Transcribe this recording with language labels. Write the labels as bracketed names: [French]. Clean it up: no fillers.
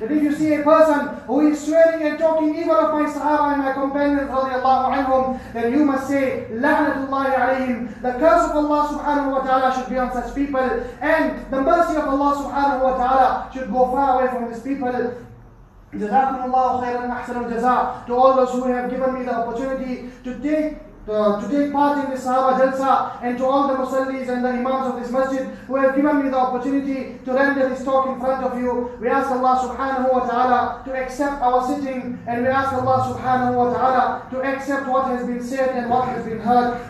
[English] That if you see a person who is swearing and talking evil of my Sahaba and my companions radiallahu anhum, then you must say, [Arabic] لَعْنَةُ اللَّهِ عَلَيْهِمْ. [English] The curse of Allah subhanahu wa ta'ala should be on such people, and the mercy of Allah subhanahu wa ta'ala should go far away from these people. [Arabic] جزاكم الله خيرا أحسن الجزاء. [English] To all those who have given me the opportunity to take part in this Sahaba Jalsa, and to all the musallis and the imams of this masjid who have given me the opportunity to render this talk in front of you, we ask Allah subhanahu wa ta'ala to accept our sitting, and we ask Allah subhanahu wa ta'ala to accept what has been said and what has been heard.